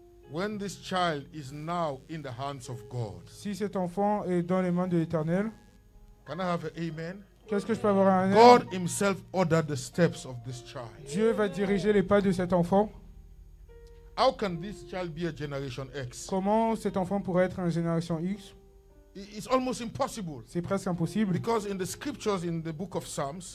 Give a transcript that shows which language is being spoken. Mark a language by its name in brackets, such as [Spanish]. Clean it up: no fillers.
[English] when this child is now in the hands of God, [French] si cet enfant est dans les mains de l'Éternel, [English] can I have an amen? [French] Qu'est-ce que je peux avoir un [English] God himself ordered the steps of this child. [French] Dieu va diriger les pas de cet enfant. [English] How can this child be a generation X? [French] Comment cet enfant pourrait être une génération X? [English] It's almost impossible. [French] C'est presque impossible. [English] Because in the scriptures in the book of Psalms.